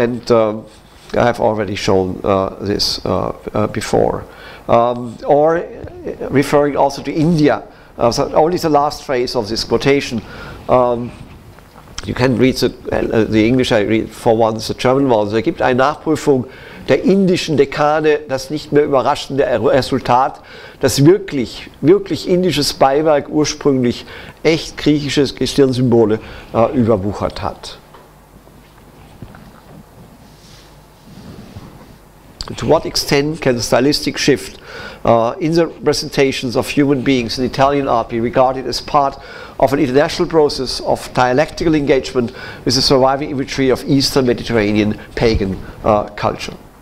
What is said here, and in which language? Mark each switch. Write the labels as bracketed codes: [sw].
[en] I have already shown this before. Or referring also to India, so only the last phrase of this quotation. You can read the English, I read for once the German one. [de] Es gibt eine Nachprüfung der indischen Dekade, das nicht mehr überraschende Resultat, das wirklich, wirklich indisches Beiwerk ursprünglich echt griechische Gestirnsymbole überwuchert hat. [en] To what extent can the stylistic shift in the representations of human beings in Italian art be regarded as part of an international process of dialectical engagement with the surviving imagery of Eastern Mediterranean pagan culture?